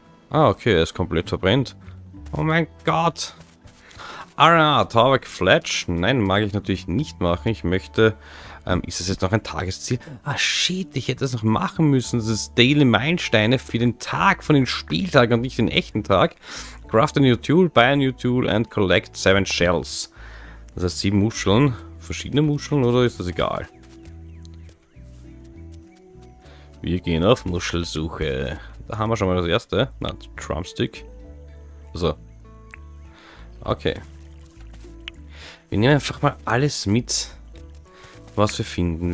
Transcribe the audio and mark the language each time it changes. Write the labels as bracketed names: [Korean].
[German] Ah, okay, er ist komplett verbrennt. Oh mein Gott! Ah, Tauwerk Fletch. Nein, mag ich natürlich nicht machen. Ich möchte. Ist das jetzt noch ein Tagesziel? Ah, shit, ich hätte das noch machen müssen. Das ist Daily Meilensteine für den Tag von den Spieltag und nicht den echten Tag. [English] Craft a new tool, buy a new tool and collect 7 shells. [German] Das heißt 7 Muscheln. Verschiedene Muscheln oder ist das egal? Wir gehen auf Muschelsuche. Da haben wir schon mal das erste. Na, Drumstick. So. Okay. Wir nehmen einfach mal alles mit, was wir finden.